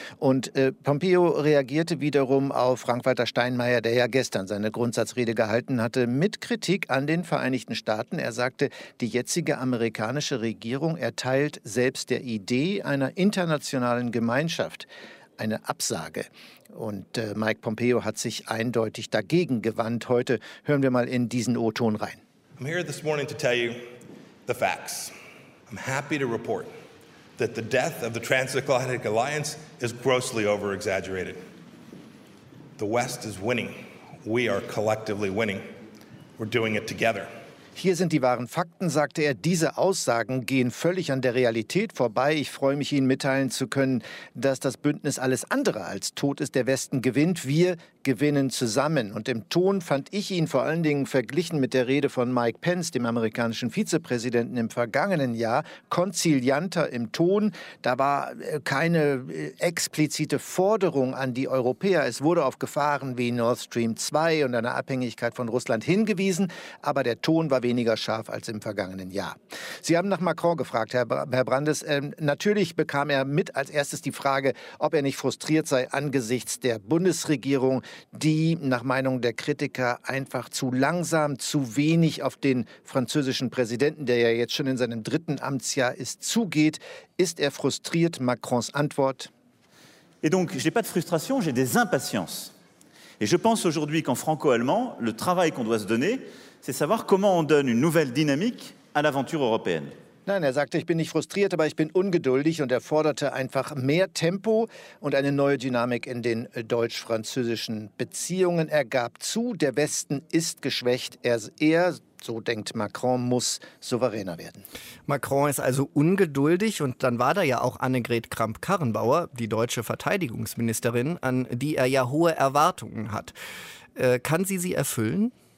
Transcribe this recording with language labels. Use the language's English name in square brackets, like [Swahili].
[German] Und Pompeo reagierte wiederum auf Frank-Walter Steinmeier, der ja gestern seine Grundsatzrede gehalten hatte, mit Kritik an den Vereinigten Staaten. Er sagte, die jetzige amerikanische Regierung erteilt selbst der Idee einer internationalen Gemeinschaft eine Absage. Und Mike Pompeo hat sich eindeutig dagegen gewandt. Heute hören wir mal in diesen O-Ton rein. [English] I'm here this morning to tell you the facts. I'm happy to report that the death of the Transatlantic Alliance is grossly over-exaggerated. The West is winning. We are collectively winning. We're doing it together. [German] Hier sind die wahren Fakten, sagte er. Diese Aussagen gehen völlig an der Realität vorbei. Ich freue mich, Ihnen mitteilen zu können, dass das Bündnis alles andere als tot ist. Der Westen gewinnt. Wir gewinnen zusammen. Und im Ton fand ich ihn vor allen Dingen verglichen mit der Rede von Mike Pence, dem amerikanischen Vizepräsidenten im vergangenen Jahr, konzilianter im Ton. Da war keine explizite Forderung an die Europäer. Es wurde auf Gefahren wie Nord Stream 2 und eine Abhängigkeit von Russland hingewiesen. Aber der Ton war weniger scharf als im vergangenen Jahr. Sie haben nach Macron gefragt, Herr Brandes. Natürlich bekam er mit als erstes die Frage, ob er nicht frustriert sei angesichts der Bundesregierung, die nach Meinung der Kritiker einfach zu langsam, zu wenig auf den französischen Präsidenten, der ja jetzt schon in seinem dritten Amtsjahr ist, zugeht. Ist er frustriert? Macrons Antwort. [French] Et donc, j'ai pas de frustration, j'ai des impatiences. Et je pense aujourd'hui qu'en franco-allemand, le travail qu'on doit se donner, c'est savoir comment on donne une nouvelle dynamique à l'aventure européenne. [German] Nein, er sagte, ich bin nicht frustriert, aber ich bin ungeduldig und er forderte einfach mehr Tempo und eine neue Dynamik in den deutsch-französischen Beziehungen. Er gab zu, der Westen ist geschwächt, er, so denkt Macron, muss souveräner werden. Macron ist also ungeduldig und dann war da ja auch Annegret Kramp-Karrenbauer, die deutsche Verteidigungsministerin, an die er ja hohe Erwartungen hat. Kann sie sie erfüllen?